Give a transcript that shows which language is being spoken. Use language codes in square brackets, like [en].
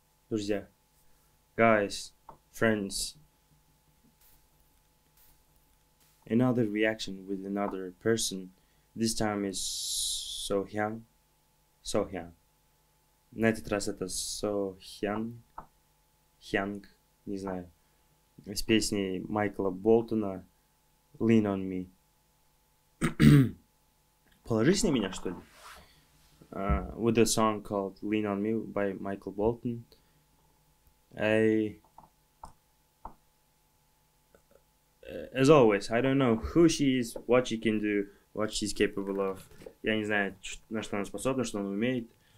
[ru] Друзья, [en] guys, friends, another reaction with another person. This time is So Hyang. [ru] На этот раз это So Hyang, Hyang, не знаю, с песней Майкла Болтона Lean on Me. Положись на меня, что ли? [en] With a song called Lean on Me by Michael Bolton. As always, I don't know who she is, what she can do, what she's capable of. [ru] Я не знаю, на что она способна, что она умеет.